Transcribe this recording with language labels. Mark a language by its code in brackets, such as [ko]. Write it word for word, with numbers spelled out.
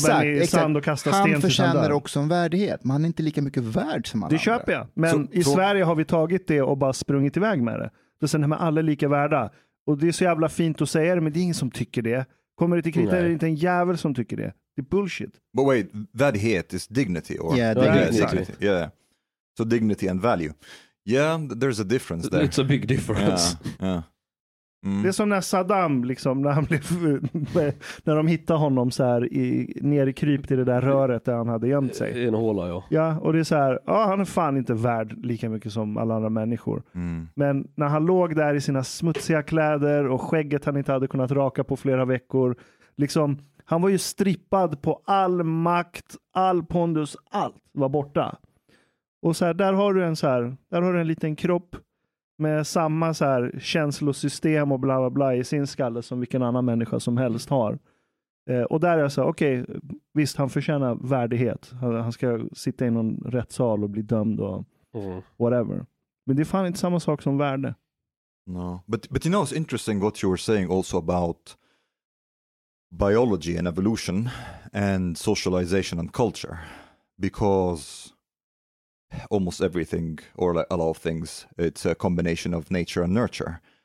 [sv] snubben i exakt. sand och kastar han sten. Han förtjänar också en värdighet. Men han är inte lika mycket värd som alla det andra. Köper jag. Men så, i så... Sverige har vi tagit det och bara sprungit iväg med det. Då sen är man alla lika värda. Och det är så jävla fint att säga det, men det är ingen som tycker det. Kommer det till kritan är det inte en jävel som tycker det. Det är bullshit. [en] But wait, värdighet is dignity. Or... Yeah, dignity. Yeah, exactly. Yeah. So dignity and value. Yeah, there's a difference there. It's a big difference. Yeah, yeah. Mm. [sv] Det är som när Saddam, liksom, när, han blev, när de hittade honom så här i, ner i krypt i det där röret där han hade gömt sig. I en håla, ja. Ja, och det är så här, ja, han är fan inte värd lika mycket som alla andra människor. Mm. Men när han låg där i sina smutsiga kläder och skägget han inte hade kunnat raka på flera veckor. Liksom, han var ju strippad på all makt, all pondus, allt var borta. Och så här, där har du en så här, där har du en liten kropp med samma så här känslosystem och bla bla bla i sin skalle som vilken annan människa som helst har. Eh, och där är jag så här, okej, okay, visst han förtjänar värdighet. Han, han ska sitta i någon rättssal och bli dömd och mm. [en] whatever. [sv] Men det är fan inte samma sak som värde. [en] No, but but you know it's interesting what you were saying also about biology and evolution and socialization and culture, because almost everything, or like a lot of things, it's a combination of nature and nurture.